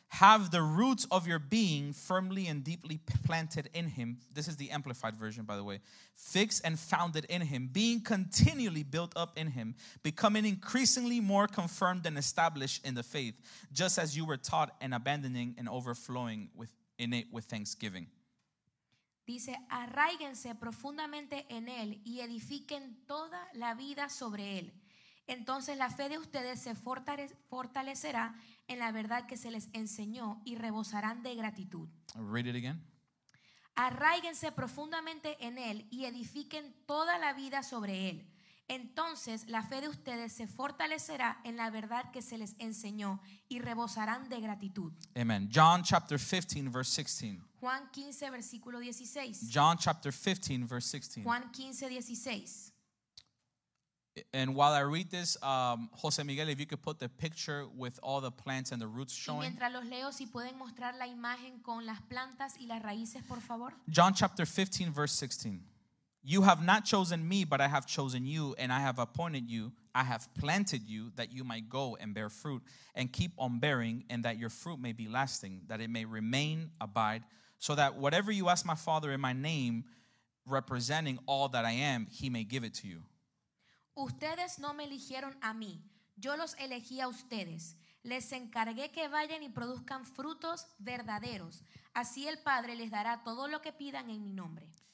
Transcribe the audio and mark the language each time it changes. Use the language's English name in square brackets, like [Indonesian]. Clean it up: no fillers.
[English] Have the roots of your being firmly and deeply planted in him. This is the Amplified version, by the way. Fixed and founded in him, being continually built up in him, becoming increasingly more confirmed and established in the faith, just as you were taught, and abandoning and overflowing with, in it with thanksgiving. [Spanish] Dice, arráiguense profundamente en él y edifiquen toda la vida sobre él. Entonces la fe de ustedes se fortalecerá en la verdad que se les enseñó y rebosarán de gratitud. [English] Read it again. [Spanish] Arráiguense profundamente en él y edifiquen toda la vida sobre él. Entonces la fe de ustedes se fortalecerá en la verdad que se les enseñó y rebosarán de gratitud. [English] Amen. John chapter 15 verse 16. [Spanish] Juan 15 versículo 16. [English] John chapter 15 verse 16. [Spanish] Juan 15 16. [English] And while I read this, Jose Miguel, if you could put the picture with all the plants and the roots showing. [Spanish] Y mientras los leo, si pueden mostrar la imagen con las plantas y las raíces, por favor. [English] John chapter 15 verse 16. You have not chosen me, but I have chosen you, and I have appointed you, I have planted you, that you might go and bear fruit, and keep on bearing, and that your fruit may be lasting, that it may remain, abide, so that whatever you ask my Father in my name, representing all that I am, he may give it to you. [Spanish] Ustedes no me eligieron a mí, yo los elegí a ustedes. Les encargué que vayan y produzcan frutos verdaderos. Así el Padre les dará todo lo que pidan en mi nombre.